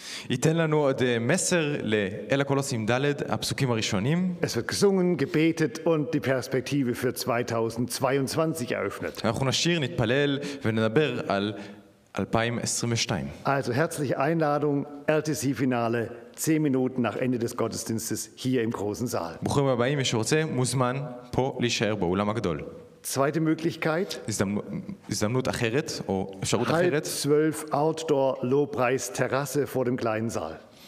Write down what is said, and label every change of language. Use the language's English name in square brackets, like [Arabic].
[Hebrew] ייתן לנו עוד מסר לאל הקולוסים דלת, הפסוקים הראשונים. [German] Es wird gesungen, gebetet und die Perspektive für 2022 eröffnet. [Hebrew] אנחנו נשיר, נתפלל ונדבר על 2022. [German] Also herzliche Einladung, LTC-Finale, 10 Minuten nach Ende des Gottesdienstes hier im großen Saal. [Hebrew] ברוכים הבאים, מי שרוצה, מוזמן פה להישאר באולם הגדול. [German] Zweite Möglichkeit. Halb 12 Outdoor Lobpreis Terrasse vor dem kleinen Saal.